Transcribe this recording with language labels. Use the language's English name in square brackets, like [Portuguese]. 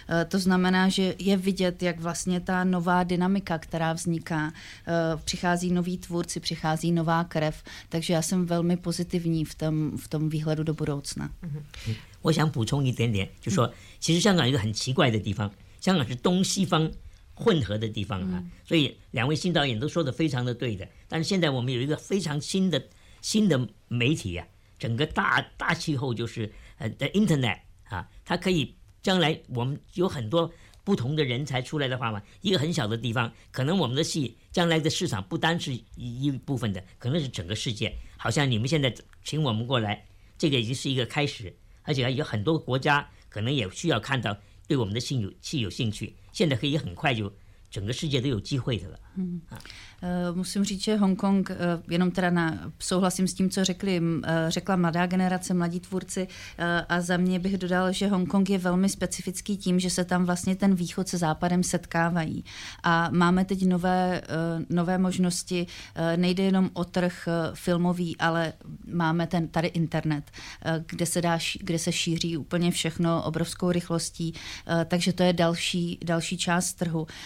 [Czech] To znamená, že je vidět, jak vlastně ta nová dynamika, která vzniká, přichází noví tvůrci, přichází nová krev, takže já jsem velmi pozitivní v tom výhledu do budoucna. Já chci doplnit něco, že je to, že Hong Kong je velmi zvláštní místo. Hong Kong je [Chinese] 混合的地方啊，所以两位新导演都说得非常的对的。但是现在我们有一个非常新的媒体啊，整个大气候就是的 Internet 啊，它可以将来我们有很多不同的人才出来的话嘛，一个很小的地方，可能我们的戏将来的市场不单是一部分的，可能是整个世界。好像你们现在请我们过来，这个已经是一个开始，而且有很多国家可能也需要看到对我们的戏有兴趣，现在可以很快就整个世界都有机会的了。 [Czech] Musím říct, že Hong Kong, jenom teda souhlasím s tím, co řekla mladá generace, mladí tvůrci, a za mě bych dodal, že Hong Kong je velmi specifický tím, že se tam vlastně ten východ se západem setkávají. A máme teď nové možnosti, nejde jenom o trh filmový, ale máme tady internet, kde se šíří úplně všechno obrovskou rychlostí, takže to je další část trhu.